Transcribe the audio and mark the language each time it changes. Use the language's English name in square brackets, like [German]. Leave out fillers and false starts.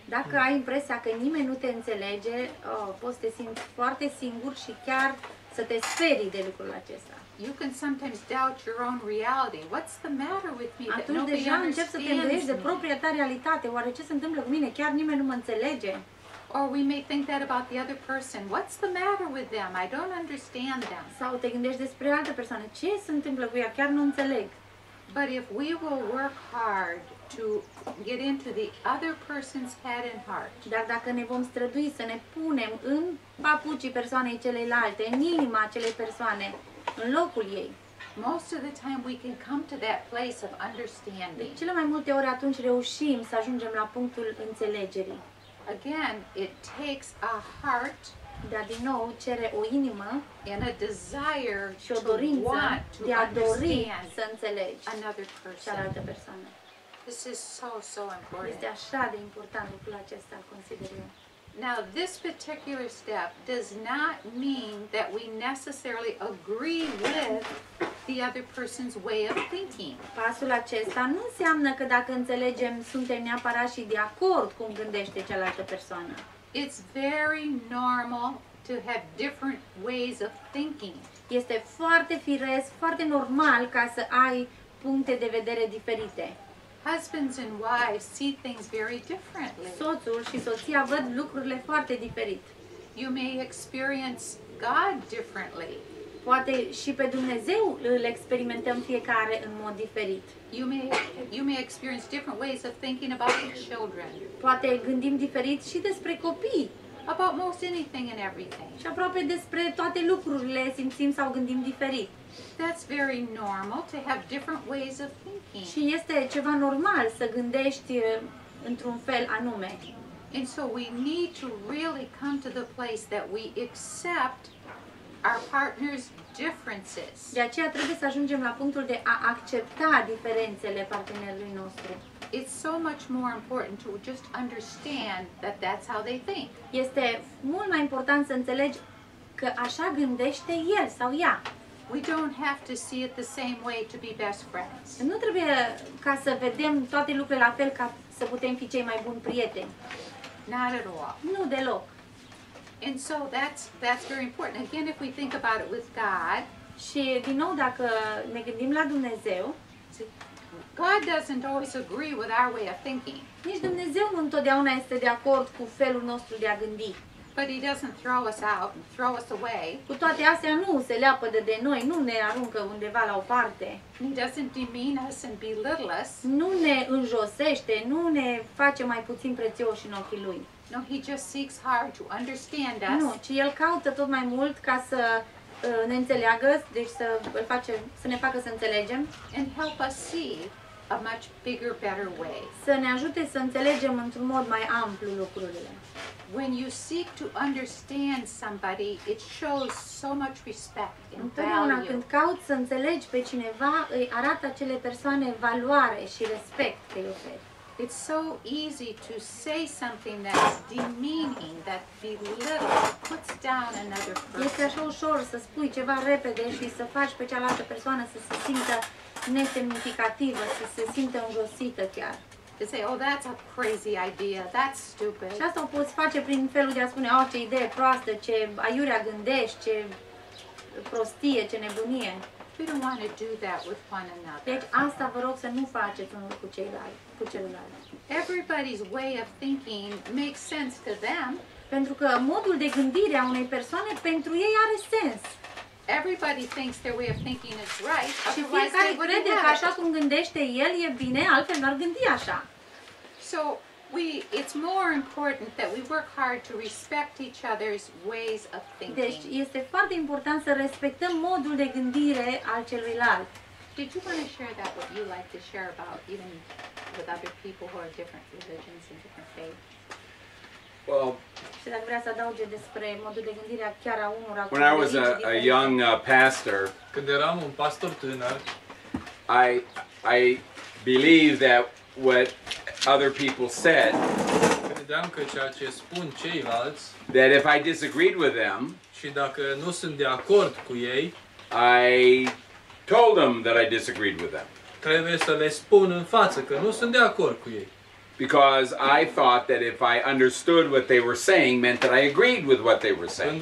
[Romanian] Dacă ai impresia că nimeni nu te înțelege, poți să te simți foarte singur și chiar să te sperii de lucrul acesta. [English] You can sometimes doubt your own reality. What's the matter with me? [Romanian] Atunci deja începi să te îndoiești de propria ta realitate. Oare ce se întâmplă cu mine? Chiar nimeni nu mă înțelege. [English] Or we may think that about the other person. What's the matter with them? I don't understand them. [Romanian] Sau te gândești despre altă persoană. Ce se întâmplă cu ea? Chiar nu înțeleg. [English] But if we will work hard to get into the other person's head and heart. [Romanian] Dar dacă ne vom strădui să ne punem în papucii persoanei celelalte, în inima acelei persoane, în locul ei. [English] Most of the time we can come to that place of understanding. [Romanian] De cele mai multe ori atunci reușim să ajungem la punctul înțelegerii. [English] Again, it takes a heart, [Romanian] dar din nou cere o inimă, [English] and a desire [Romanian] și o dorință [English] to want to [Romanian] de a dori să înțelegi [English] another person. [Romanian] Și altă persoană. [English] This is so important. [Romanian] Este așa de important lucrul acesta, consider eu. [English] Now, this particular step does not mean that we necessarily agree with the other person's way of thinking. [Romanian] Pasul acesta nu înseamnă că dacă înțelegem, suntem neapărat și de acord cum gândește cealaltă persoană. [English] It's very normal to have different ways of thinking. [Romanian] Este foarte firesc, foarte normal ca să ai puncte de vedere diferite. [English] Husbands and wives see things very differently. [Romanian] Soțul și soția văd lucrurile foarte diferit. [English] You may experience God differently. [Romanian] Poate și pe Dumnezeu îl experimentăm fiecare în mod diferit. [English] You may experience different ways of thinking about the children. [Romanian] Poate gândim diferit și despre copii. [English] About most anything and everything. [Romanian] Și aproape despre toate lucrurile simțim sau gândim diferit. [English] That's very normal to have different ways of thinking. [Romanian] Și este ceva normal să gândești într-un fel anume. [English] And so we need to really come to the place that we accept our partner's differences. [Romanian] De aceea trebuie să ajungem la punctul de a accepta diferențele partenerului nostru. [English] It's so much more important to just understand that that's how they think. [Romanian] Este mult mai important să înțelegi că așa gândește el sau ea. [English] We don't have to see it the same way to be best friends. [Romanian] Nu trebuie ca să vedem toate lucrurile la fel ca să putem fi cei mai buni prieteni. [English] Not at all. [Romanian] Nu deloc. [English] And so that's very important. Again, if we think about it with God. [Romanian] Și din nou dacă ne gândim la Dumnezeu. [English] God doesn't always agree with our way of thinking. [Romanian] Nici Dumnezeu nu întotdeauna este de acord cu felul nostru de a gândi. [English] But he doesn't throw us out, throw us away. [Romanian] Cu toate astea nu se leapădă de noi, nu ne aruncă undeva la o parte. [English] He doesn't demean us and belittle us. [Romanian] Nu ne înjosește, nu ne face mai puțin prețioși în ochii lui. [English] No, he just seeks hard to understand us. [Romanian] Nu, ci el caută tot mai mult ca să ne înțeleagă, deci să îl face, să ne facă să înțelegem. [English] And help us see a much bigger, better way. [Romanian] Să ne ajute să înțelegem într-un mod mai amplu lucrurile. [English] When you seek to understand somebody, it shows so much respect and [Romanian] Întotdeauna [English] value. [Romanian] Când cauți să înțelegi pe cineva, îi arată acele persoane valoare și respect că îi oferi. [English] It's so easy to say something that's demeaning, that belittles, puts down another person. [Romanian] Este așa ușor să spui ceva repede și să faci pe cealaltă persoană să se simtă nesemnificativă, să se simtă înjosită chiar. [English] To say, oh, that's a crazy idea, that's stupid. [Romanian] Și asta o poți face prin felul de a spune, oh, ce idee proastă, ce aiurea gândești, ce prostie, ce nebunie. [English] We don't want to do that with one another. [Romanian] Deci asta vă rog să nu faceți unul cu ceilalți. [English] Everybody's way of thinking makes sense to them. [Romanian] Pentru că modul de gândire a unei persoane pentru ei are sens. [English] Everybody thinks their way of thinking is right. [Romanian] Și fiecare crede că așa cum gândește el e bine, altfel n-ar gândi așa. [English] So it's more important that we work hard to respect each other's ways of thinking. [Romanian] Deci este foarte important să respectăm modul de gândire al celuilalt. [English] Did you want to share that what you like to share about even with other people who are different religions and different faiths? Well, [Romanian] și dacă vrea să adauge despre modul de gândire a chiar a unora. [English] When I was a young pastor, [Romanian] când eram un pastor tânăr, [English] I believe that what other people said, [Romanian] când credeam că ceea ce spun ceilalți, [English] that if I disagreed with them, [Romanian] și dacă nu sunt de acord cu ei, [English] I told them that I disagreed with them. [Romanian] Trebuie să le spun în față că nu sunt de acord cu ei. [English] Because I thought that if I understood what they were saying meant that I agreed with what they were saying.